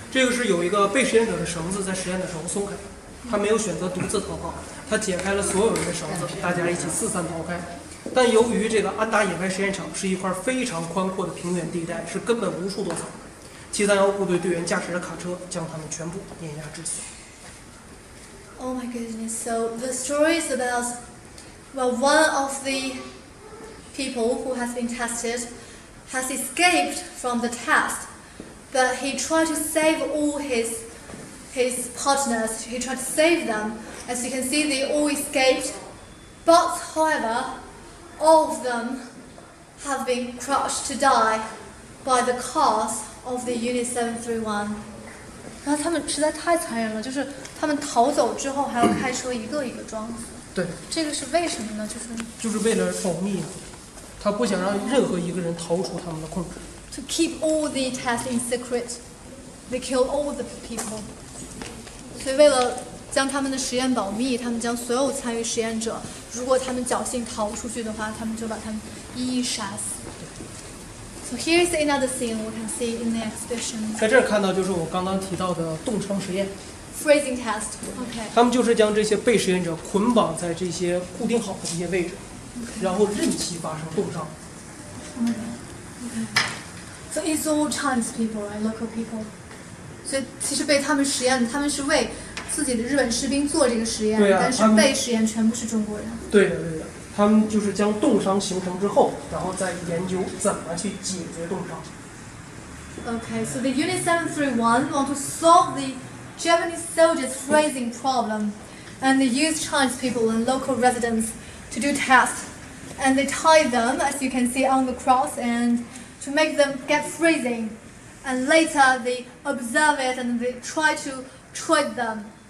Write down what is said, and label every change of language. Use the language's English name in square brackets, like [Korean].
[Chinese] 这个是有一个被实验者的绳子在实验的时候松开，他没有选择独自逃跑，他解开了所有人的绳子，大家一起四散逃开。但由于这个安达野外实验场是一块非常宽阔的平原地带，是根本无处躲藏，731部队队员驾驶的卡车将他们全部碾压致死。 [English] Oh my goodness, so the story is about, well, one of the people who has been tested has escaped from the test, but he tried to save all his partners, he tried to save them. As you can see, they all escaped, but however, all of them have been crushed to die by the cars of the Unit 731. [Chinese] 然后他们实在太残忍了，就是他们逃走之后还要开车一个一个撞死。对，这个是为什么呢？就是为了保密，他不想让任何一个人逃出他们的控制。 [English] To keep all the tests in secret, they kill all the people. [Chinese] 所以为了将他们的实验保密，他们将所有参与实验者，如果他们侥幸逃出去的话，他们就把他们一一杀死。 [English] So here is another scene we can see in the exhibition. [Chinese] 在这儿看到就是我刚刚提到的冻伤实验 [English] ，freezing test. Okay. [Chinese] 他们就是将这些被实验者捆绑在这些固定好的这些位置， [English] okay. [Chinese] 然后任其发生冻伤。 [English] Okay. Okay. So it's all Chinese people, right? Local people. [Chinese] 所以其实被他们实验，他们是为自己的日本士兵做这个实验，对啊、但是被实验全部是中国人。对的，对的。他们就是将冻伤形成之后，然后再研究怎么去解决冻伤。 [English] Okay, so the Unit 731 want to solve the Japanese soldiers' freezing problem, and they use Chinese people and local residents to do tests, and they tie them, as you can see on the cross, and to make them get freezing, and later they observe it and they try to treat them.